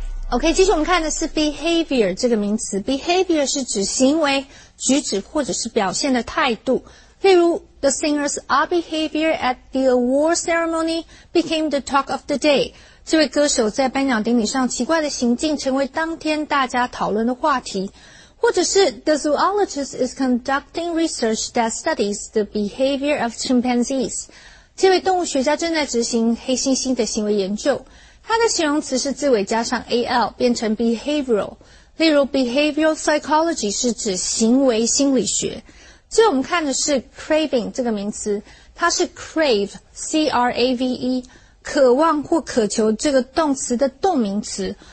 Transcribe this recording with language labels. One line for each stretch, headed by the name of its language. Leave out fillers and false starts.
Chinese: OK, 接下来我们看的是 behavior 这个名词。behavior 是指行为、举止或者是表现的态度。例如
English: ,the singer's odd behavior at the award ceremony became the talk of the day.
Chinese: 这位歌手在颁奖典礼上奇怪的行径成为当天大家讨论的话题。或者是
English: ,the zoologist is conducting research that studies the behavior of chimpanzees.
Chinese: 这位动物学家正在执行黑猩猩的行为研究。它的形容词是字尾加上 al, 变成 behavioral。例如 ,behavioral psychology 是指行为心理学。所以我们看的是 craving 这个名词，它是 crave, C-R-A-V-E, 渴望或渴求这个动词的动名词。